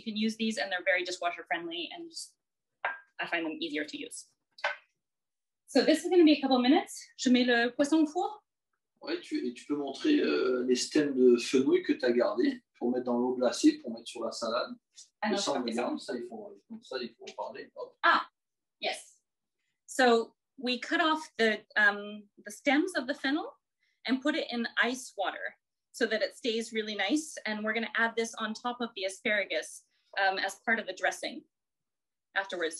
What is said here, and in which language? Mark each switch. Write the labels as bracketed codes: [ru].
[en] You can use these and they're very dishwasher friendly and just, I find them easier to use. So this is going to be a couple of minutes. [fr] Je mets le poisson au four. Ouais, tu peux montrer les stems de fenouil que tu as gardé pour mettre dans l'eau glacée, pour mettre sur la salade. Ah, non, ça, il faut en parler. [en] Hop. Ah, yes. So we cut off the stems of the fennel and put it in ice water so that it stays really nice. And we're going to add this on top of the asparagus as part of the dressing afterwards.